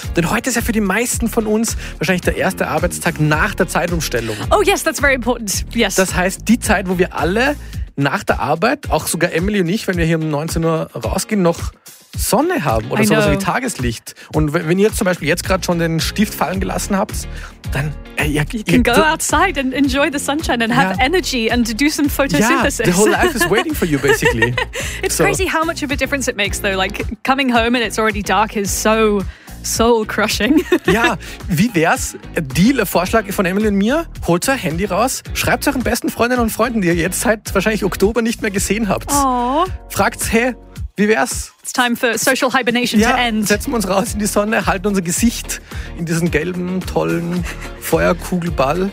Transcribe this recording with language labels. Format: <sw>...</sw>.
<de>Denn heute ist ja für die meisten von uns wahrscheinlich der erste Arbeitstag nach der Zeitumstellung.</de> <en>Oh yes, that's very important. Yes.</en> <de>Das heißt, die Zeit, wo wir alle nach der Arbeit, auch sogar Emily und ich, wenn wir hier um 19 Uhr rausgehen, noch Sonne haben oder sowas wie Tageslicht. Und wenn ihr zum Beispiel jetzt gerade schon den Stift fallen gelassen habt, dann...</de> <en>You can go outside and enjoy the sunshine and have energy and do some photosynthesis. Yeah, the whole life is waiting for you, basically. It's crazy how much of a difference it makes, though. Like, coming home and it's already dark is so soul-crushing.</en> <de>Ja, wie wär's? Deal, Vorschlag von Emily und mir. Holt euer Handy raus, schreibt euren besten Freundinnen und Freunden, die ihr jetzt seit wahrscheinlich Oktober nicht mehr gesehen habt. Fragt's, hey, wie wär's?</de> <en>It's time for social hibernation</en> <de>ja,</de> <en>to end.</en> <de>Setzen wir uns raus in die Sonne, halten unser Gesicht in diesen gelben, tollen Feuerkugelball.</de>